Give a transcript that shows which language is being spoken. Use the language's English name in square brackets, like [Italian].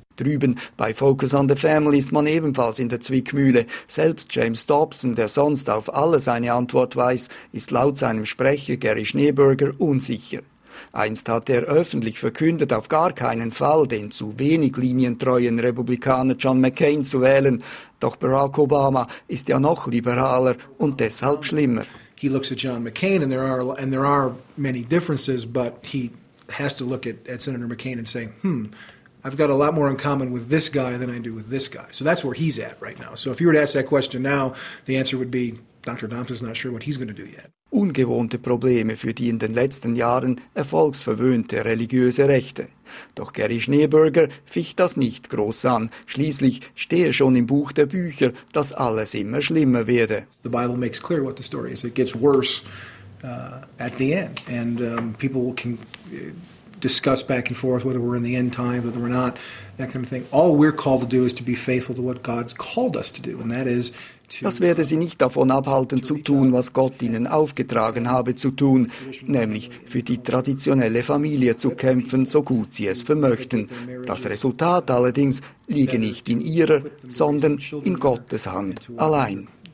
[German] Drüben bei Focus on the Family ist man ebenfalls in der Zwickmühle. Selbst James Dobson, der sonst auf alles eine Antwort weiß, ist laut seinem Sprecher Gary Schneeberger unsicher. Einst hat er öffentlich verkündet, auf gar keinen Fall den zu wenig linientreuen Republikaner John McCain zu wählen. Doch Barack Obama ist ja noch liberaler und deshalb schlimmer. [English] He looks at John McCain and there are many differences, but he has to look at Senator McCain and say, I've got a lot more in common with this guy than I do with this guy. So that's where he's at right now. So if you were to ask that question now, the answer would be, Dr. Thompson's not sure what he's going to do yet. [German] Ungewohnte Probleme für die in den letzten Jahren erfolgsverwöhnte religiöse Rechte. Doch Gary Schneeberger ficht das nicht groß an. Schließlich stehe schon im Buch der Bücher, dass alles immer schlimmer werde. [English] The Bible makes clear what the story is. It gets worse at the end. And people can discuss back and forth whether we're in the end times, whether we're not, that kind of thing. All we're called to do is to be faithful to what God's called us to do, and that is... [German] Das werde sie nicht davon abhalten, zu tun, was Gott ihnen aufgetragen habe zu tun, nämlich für die traditionelle Familie zu kämpfen, so gut sie es vermöchten. Das Resultat allerdings liege nicht in ihrer, sondern in Gottes Hand allein.